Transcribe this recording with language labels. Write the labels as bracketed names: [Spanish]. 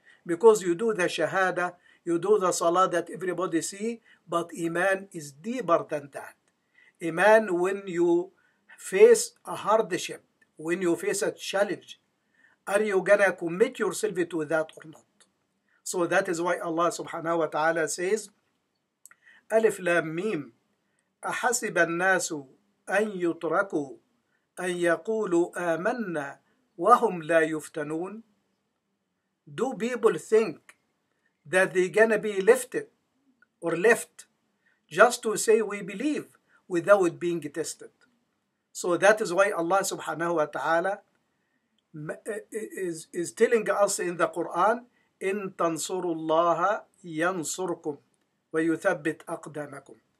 [English] Because you do the shahada, you do the salah that everybody see, but iman is deeper than that. Iman, when you face a hardship, when you face a challenge, are you gonna commit yourself to that or not? So that is why Allah subhanahu wa ta'ala says, [Arabic] ألف لام ميم أحسب الناس أن يتركوا أن يقولوا آمنا وهم لا يفتنون. [English] Do people think that they're gonna be lifted or left just to say we believe without being tested? So that is why Allah subhanahu wa ta'ala is telling us in the Quran, [Arabic] إن تنصروا الله ينصركم وَيُثَبِّتْ أَقْدَامَكُمْ.